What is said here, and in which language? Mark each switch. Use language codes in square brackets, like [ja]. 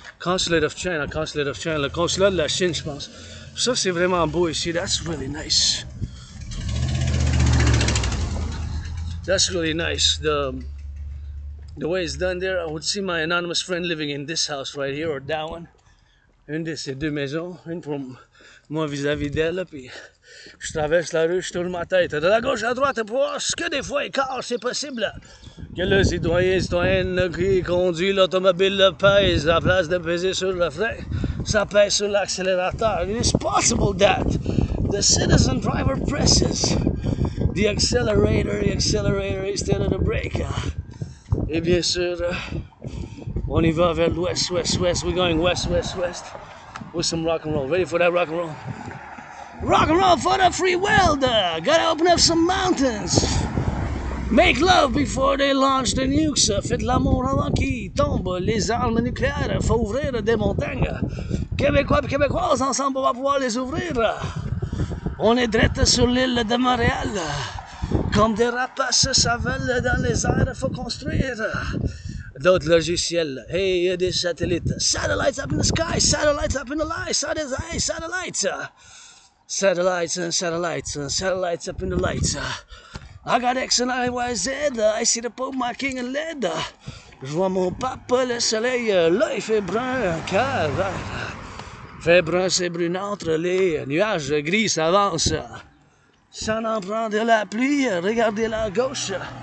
[en] Consulate of China. [fr] Le consulat de la Chine, je pense. Ça c'est vraiment beau ici. [en] That's really nice. That's really nice. The way it's done there, I would see my anonymous friend living in this house right here, or that one. [fr] Une de ces deux maisons, une pour moi vis-à-vis d'elle, puis je traverse la rue, je tourne ma tête de la gauche à droite pour voir ce que des fois écart, c'est possible. Que le citoyen, citoyenne qui conduit l'automobile pèse, la place de peser sur le frein, ça pèse sur l'accélérateur. [en] It is possible that the citizen driver presses. The accelerator instead of the brake. [fr] Et bien sûr, on y va vers l'ouest. [en] We're going west with some rock and roll. Ready for that rock and roll? Rock and roll for the free world. Gotta open up some mountains. Make love before they launch the nukes. [fr] Faites l'amour avant qu'ils tombent. Les armes nucléaires, faut ouvrir des montagnes. Québécois et Québécoises, ensemble, on va pouvoir les ouvrir. On est drette sur l'île de Montréal. Comme des rapaces, ça vole dans les airs, faut construire. D'autres logiciels, hey, des satellites. [en] Satellites up in the sky, satellites up in the light, satellites, satellites. Satellites and satellites, and satellites up in the lights. I got X and I, Y, Z, I see the Pope, my king in lead. [fr] Je vois mon pape, le soleil, l'œil fait brun, car... Fait brun, c'est brunâtre, les nuages gris s'avancent. Ça n'en prend de la pluie, regardez la gauche.